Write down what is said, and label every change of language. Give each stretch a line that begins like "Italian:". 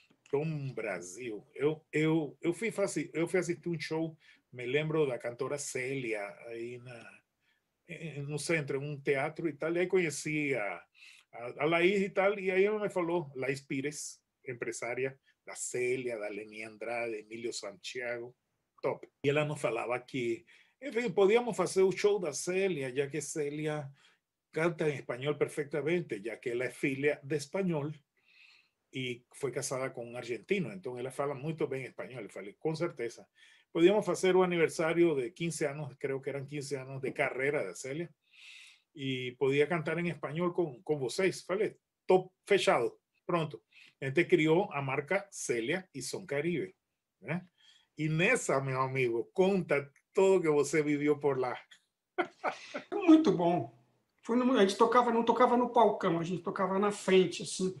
Portuguese: Tom Brasil, eu fui assistir um show, me lembro da cantora Célia, aí no centro, em um teatro e tal, e aí conheci a Laís e tal, e aí ela me falou, Laís Pires, empresária, da Célia, da Leni Andrade, Emílio Santiago, top. E ela nos falava que, enfim, podíamos fazer o show da Célia, já que Célia
Spanish: canta en español perfectamente, ya que ella es filia de español y fue casada con un argentino. Entonces, ella habla muy bien español, con certeza. Podíamos hacer un aniversario de 15 años, creo que eran 15 años de carrera de Celia, y podía cantar en español con vocês, ¿vale?
Portuguese: Top fechado, pronto. Gente crió a marca Celia y Son Caribe. ¿Eh? Inessa,
Spanish: mi amigo,
Portuguese: conta todo que você vivió por lá. Muito bom. Foi no, a gente tocava, não tocava no palcão, a gente tocava na frente, assim,